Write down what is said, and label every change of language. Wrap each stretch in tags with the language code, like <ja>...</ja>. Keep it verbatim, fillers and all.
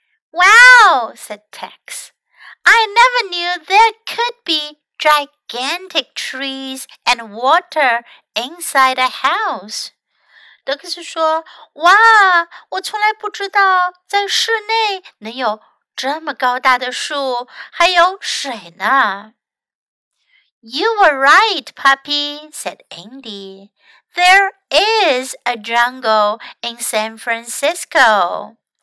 <en>Wow, said Tex. I never knew there could be gigantic trees and water inside a house.</en> <zh>德克斯说，哇，我从来不知道在室内能有这么高大的树，还有水呢。</zh> <en>You were right, Puppy, said Andy. There is a jungle in San Francisco.</en>